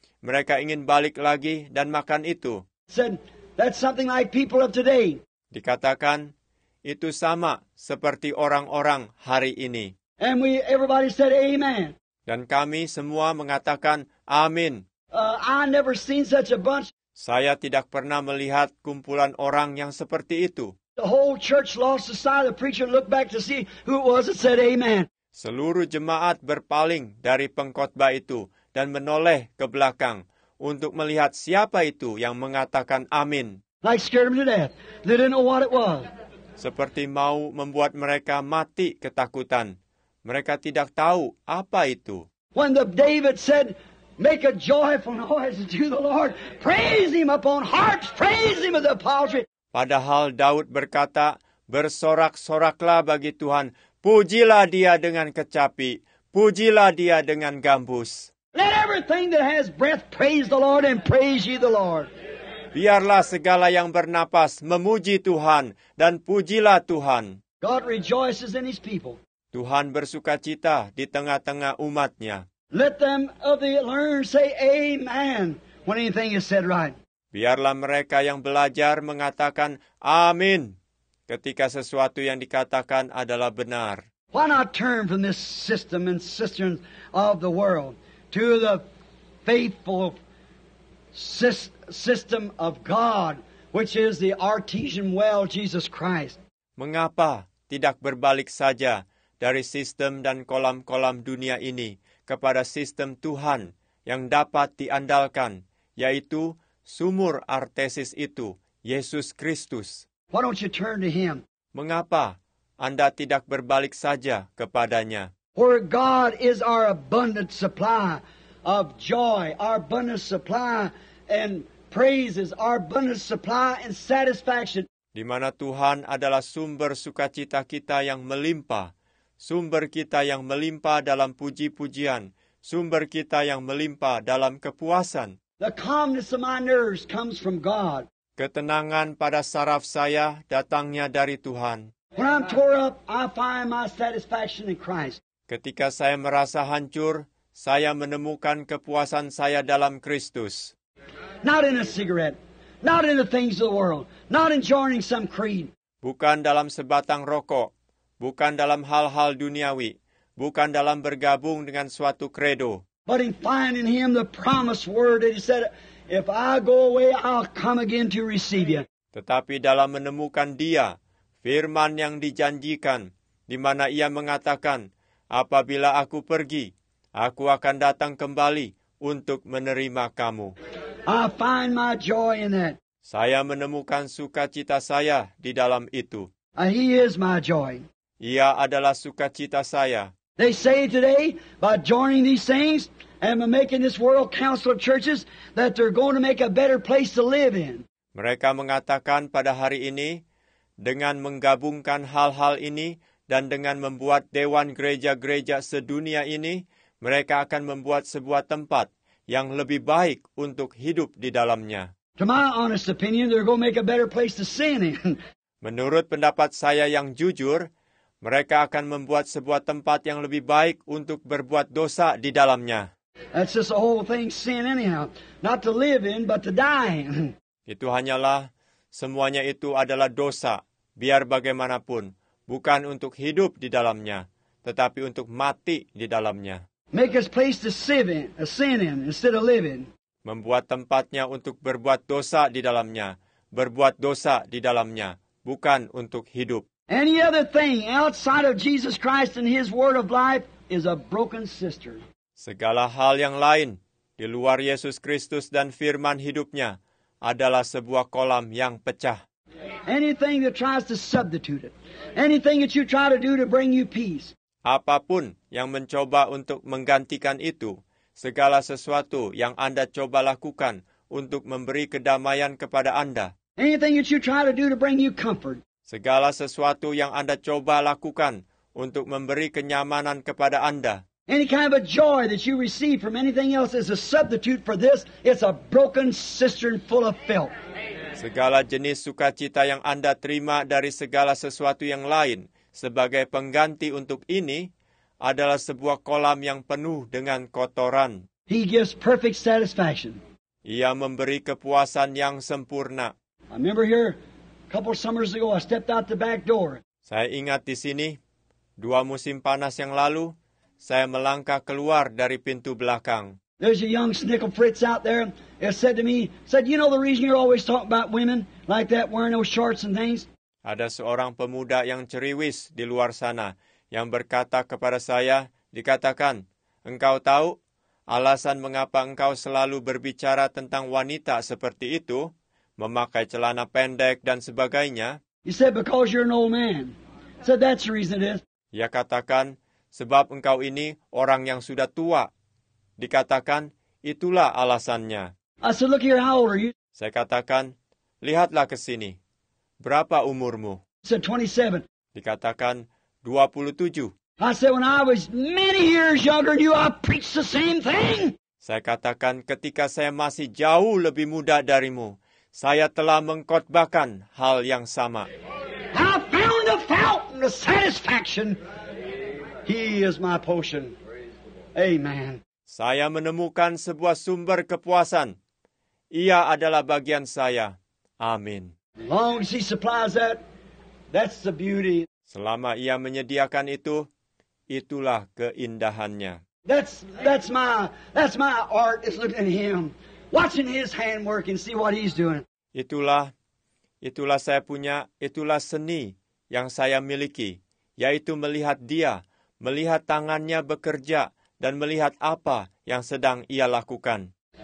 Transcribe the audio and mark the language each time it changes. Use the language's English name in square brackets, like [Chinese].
[Indonesian] Mereka ingin balik lagi dan makan itu. [English] Said, that's something like people of today. [Indonesian] Dikatakan, itu sama seperti orang-orang hari ini. [English] And everybody said amen. [Indonesian] Dan kami semua mengatakan amin. [English] I never seen such a bunch. [Indonesian] Saya tidak pernah melihat kumpulan orang yang seperti itu. [English] The whole church lost the sight. The preacher looked back to see who it was and said, "Amen." [Indonesian] Seluruh jemaat berpaling dari pengkhotbah itu dan menoleh ke belakang untuk melihat siapa itu yang mengatakan amin. [English] Like scared them to death. They didn't know what it was. [Indonesian] Seperti mau membuat mereka mati ketakutan. Mereka tidak tahu apa itu. [English] When David said, "Make a joyful noise to the Lord. Praise him upon harps. Praise him with the psaltery." [Indonesian] Padahal Daud berkata, "Bersorak-soraklah bagi Tuhan. Pujilah dia dengan kecapi. Pujilah dia dengan gambus." [English] Let everything that has breath praise the Lord and praise ye the Lord. [Indonesian] Biarlah segala yang bernapas memuji Tuhan dan pujilah Tuhan. [English] God rejoices in his people. [Indonesian] Tuhan bersukacita di tengah-tengah umat-Nya. [English] Let them of the learned say amen when anything is said right. [Indonesian] Biarlah mereka yang belajar mengatakan amin ketika sesuatu yang dikatakan adalah benar. [English] Why not turn from this system and system of the world to the faithful system of God, which is the artesian well, Jesus Christ? [Indonesian] Mengapa tidak berbalik saja dari sistem dan kolam-kolam dunia ini kepada sistem Tuhan yang dapat diandalkan, yaitu sumur artesis itu, Yesus Kristus? [English] Why don't you turn to him? [Indonesian] Mengapa Anda tidak berbalik saja kepadanya? [English] For God is our abundant supply of joy, our abundant supply and praises, our abundant supply and satisfaction. [Indonesian] Di mana Tuhan adalah sumber sukacita kita yang melimpah, sumber kita yang melimpah dalam puji-pujian, sumber kita yang melimpah dalam kepuasan. [English] The calmness of my nerves comes from God. [Indonesian] Ketenangan pada saraf saya datangnya dari Tuhan. [English] When I'm tore up, I find my satisfaction in Christ. [Indonesian] Ketika saya merasa hancur, saya menemukan kepuasan saya dalam Kristus. [English] Not in a cigarette, not in the things of the world, not in joining some creed. [Indonesian] Bukan dalam sebatang rokok, bukan dalam hal-hal duniawi, bukan dalam bergabung dengan suatu credo. [English] But in finding him the promised word that he said, "If I go away, I'll come again to receive you." [Indonesian] Tetapi dalam menemukan dia, firman yang dijanjikan, di mana ia mengatakan, "Apabila aku pergi, aku akan datang kembali untuk menerima kamu." [English] I find my joy in that. [Indonesian] Saya menemukan sukacita saya di dalam itu. [English] He is my joy. [Indonesian] Ia adalah sukacita saya. [English] They say today, by joining these things and making this world council of churches, that they're going to make a better place to live in. [Indonesian] Mereka mengatakan pada hari ini, dengan menggabungkan hal-hal ini dan dengan membuat dewan gereja-gereja sedunia ini, mereka akan membuat sebuah tempat yang lebih baik untuk hidup di dalamnya. [English] To my honest opinion, they're going to make a better place to sin in. [Indonesian] Menurut pendapat saya yang jujur, mereka akan membuat sebuah tempat yang lebih baik untuk berbuat dosa di dalamnya. [English] That's just the whole thing, sin anyhow. Not to live in, but to die in. [Indonesian] Itu hanyalah, semuanya itu adalah dosa, biar bagaimanapun, bukan untuk hidup di dalamnya, tetapi untuk mati di dalamnya. [English] Make a place to sin in instead of living. [Indonesian] Membuat tempatnya untuk berbuat dosa di dalamnya, berbuat dosa di dalamnya, bukan untuk hidup. [English] Any other thing outside of Jesus Christ and his word of life is a broken cistern. [Indonesian] Segala hal yang lain di luar Yesus Kristus dan firman hidup-Nya adalah sebuah kolam yang pecah. [English] Anything that tries to substitute it. Anything that you try to do to bring you peace. [Indonesian] Apapun yang mencoba untuk menggantikan itu, segala sesuatu yang Anda coba lakukan untuk memberi kedamaian kepada Anda. [English] Anything that you try to do to bring you comfort. [Indonesian] Segala sesuatu yang Anda coba lakukan untuk memberi kenyamanan kepada Anda. [English] Any kind of a joy that you receive from anything else is a substitute for this. It's a broken cistern full of filth. [Indonesian] Segala jenis sukacita yang Anda terima dari segala sesuatu yang lain sebagai pengganti untuk ini adalah sebuah kolam yang penuh dengan kotoran. [English] He gives perfect satisfaction. [Indonesian] Ia memberi kepuasan yang sempurna. [English] I remember here, couple summers ago, I stepped out the back door. [Indonesian] Saya ingat di sini, dua musim panas yang lalu, saya melangkah keluar dari pintu belakang. [English] There's a young Snickle Fritz out there that said to me, said, you know the reason you're always talking about women like that, wearing those shorts and things? [Indonesian] Ada seorang pemuda yang ceriwis di luar sana yang berkata kepada saya, dikatakan, engkau tahu alasan mengapa engkau selalu berbicara tentang wanita seperti itu, memakai celana pendek dan sebagainya? [English] He said, because you're an old man. So that's the reason it is. [Indonesian] Ia katakan, sebab engkau ini orang yang sudah tua. Dikatakan, itulah alasannya. [English] I said, look here, how old are you? [Indonesian] Saya katakan, lihatlah ke sini. Berapa umurmu? [English] He said, 27. [Indonesian] Dikatakan, 27. [English] I said, when I was many years younger than you, I preached the same thing. [Indonesian] Saya katakan, ketika saya masih jauh lebih muda darimu, saya telah mengkhotbahkan hal yang sama. [English] I found a fountain of satisfaction. He is my potion. Amen. [Indonesian] Saya menemukan sebuah sumber kepuasan. Ia adalah bagian saya. Amin. [English] Long as he supplies that, that's the beauty. [Indonesian] Selama ia menyediakan itu, itulah keindahannya. [English] That's my art is looking at him. Watching his handwork and see what he's doing. [Indonesian] Itulah saya punya, itulah seni yang saya miliki, yaitu melihat dia, melihat tangannya bekerja, dan melihat apa yang sedang ia lakukan.